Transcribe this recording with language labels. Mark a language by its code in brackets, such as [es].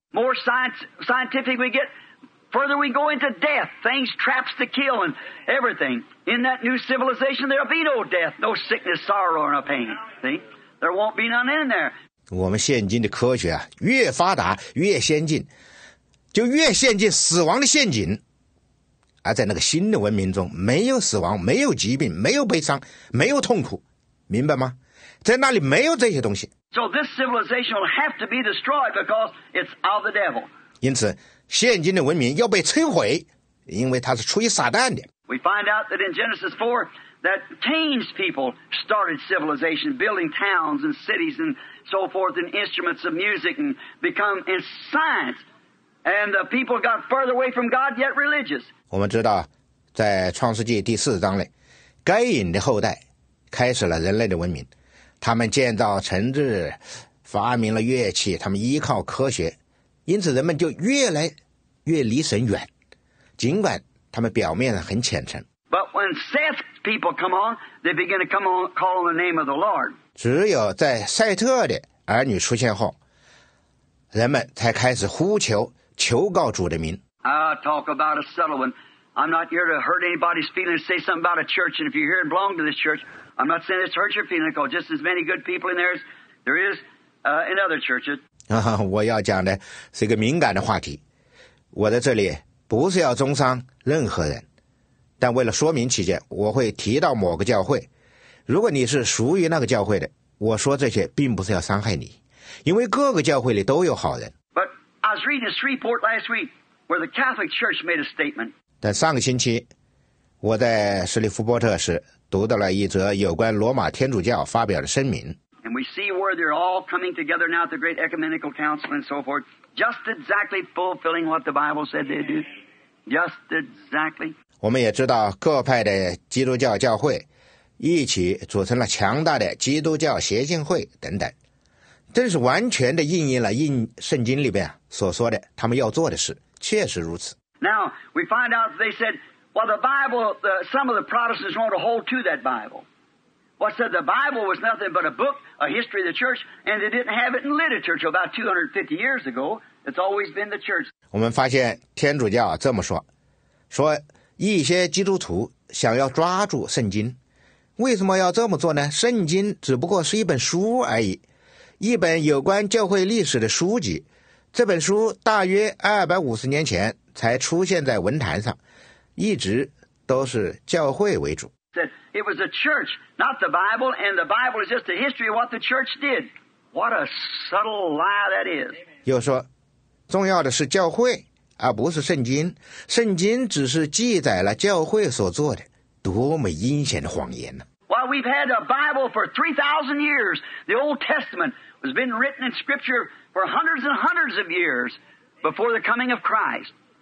[en] More scientific we get, further we go into death, things, traps to kill and everything. In that new civilization, there'll be no death, no sickness, sorrow, no pain. See? There won't be none in there. [zh] 我们现今的科学啊，越发达越先进，就越陷进死亡的陷阱。而在那个新的文明中，没有死亡，没有疾病，没有悲伤，没有痛苦，明白吗？在那里没有这些东西。 [en] So this civilization will have to be destroyed because it's of the devil. [zh] 因此，现今的文明要被摧毁，因为它是出于撒旦的。 [en] We find out that in Genesis 4, that Cain's people started civilization, building towns and cities and so forth, and instruments of music and become in science. And the people got further away from God, yet religious. [zh] 我们知道，在创世纪第四章内，该隐的后代开始了人类的文明。他们建造城市，发明了乐器，他们依靠科学，因此人们就越来越离神远，尽管他们表面很虔诚。 [en] But when Seth's people come on, they begin to come on, call on the name of the Lord. [zh] 只有在赛特的儿女出现后，人们才开始呼求，求告主的名。 [en] I talk about a subtle one. I'm not here to hurt anybody's feelings, say something about a church, and if you're here and belong to this church,I'm not saying it's hurt your feelings, because just as many good people in there as there is in other churches. [zh] 我要讲的是一个敏感的话题。我在这里不是要中伤任何人，但为了说明起见，我会提到某个教会。如果你是属于那个教会的，我说这些并不是要伤害你，因为各个教会里都有好人。 [en] But I was reading this report last week where the Catholic Church made a statement. [zh] 但上个星期，我在史利夫波特时读到了一则有关罗马天主教发表的声明。 [en] And we see where they're all coming together now at the great ecumenical council and so forth, just exactly fulfilling what the Bible said they do. Just exactly. [zh] 我们也知道各派的基督教教会一起组成了强大的基督教协进会等等。真是完全的应验了应圣经里面所说的他们要做的事，确实如此。 [en] Now, we find out they said,Well, the Bible, some of the Protestants want to hold to that Bible. What said the Bible was nothing but a book, a history of the church, and they didn't have it in literature until about 250 years ago. It's always been the church. [zh] 我们发现天主教这么说，说一些基督徒想要抓住圣经，为什么要这么做呢？圣经只不过是一本书而已，一本有关教会历史的书籍。这本书大约250年前才出现在文坛上。一直都是教会为主。 [en] It was the church, not the Bible, and the Bible is just a history of what the church did. What a subtle lie that is. [zh] 又说，重要的是教会，而不是圣经。圣经只是记载了教会所做的，多么阴险的谎言呢？ [en] Well, we've had a Bible for 3,000 years. The Old Testament has been written in Scripture for hundreds and hundreds of years before the coming of Christ.